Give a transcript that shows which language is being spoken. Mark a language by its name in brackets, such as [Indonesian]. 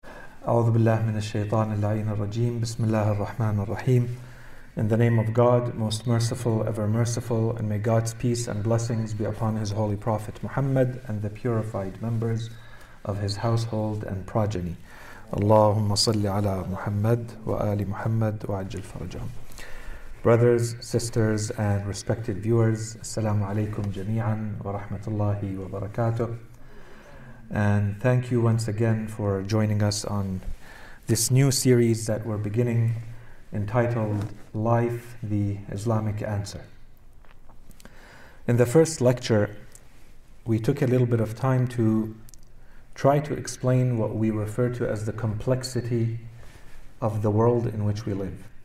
[Arabic] أعوذ بالله من الشيطان اللعين الرجيم بسم الله الرحمن الرحيم. [English] In the name of God, most merciful, ever merciful, and may God's peace and blessings be upon His holy prophet Muhammad and the purified members of his household and progeny. [Arabic] اللهم صل على محمد وآل محمد وعجل فرجهم. [English] Brothers, sisters, and respected viewers, [Arabic] السلام عليكم جميعا ورحمة الله وبركاته. [English] And thank you once again for joining us on this new series that we're beginning entitled Life, the Islamic Answer. In the first lecture, we took a little bit of time to try to explain what we refer to as the complexity of the world in which we live.